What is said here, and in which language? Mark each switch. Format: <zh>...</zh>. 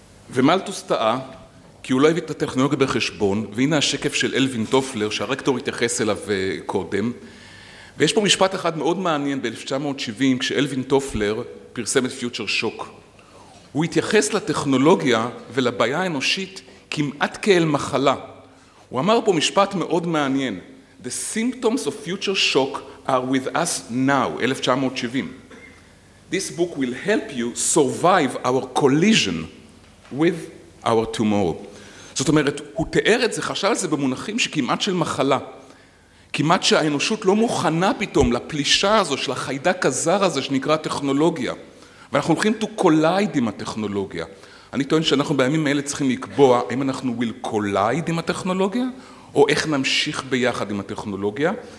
<he>ומלטוס טעה, כי הוא לא הביא את הטכנולוגיה בחשבון, והנה השקף של אלווין טופלר שהרקטור התייחס אליו קודם, ויש פה משפט אחד מאוד מעניין ב-1970 כשאלווין טופלר פרסם את פיוטשר שוק. הוא התייחס לטכנולוגיה ולבעיה האנושית כמעט כאל מחלה. הוא אמר פה משפט מאוד מעניין:</he> <en>The symptoms of future shock are with us now, 1970. This book will help you survive our collision with our tomorrow.</en> <he>זאת אומרת, הוא תיאר את זה, חשב על זה במונחים שכמעט של מחלה, כמעט שהאנושות לא מוכנה פתאום לפלישה הזו של החיידק הזר הזה שנקרא טכנולוגיה. ואנחנו הולכים</he> <en>to collide</en> <he>עם הטכנולוגיה. אני טוען שאנחנו בימים האלה צריכים לקבוע אם אנחנו</he> <en>will collide</en> <he>עם הטכנולוגיה, או איך נמשיך ביחד עם הטכנולוגיה.</he>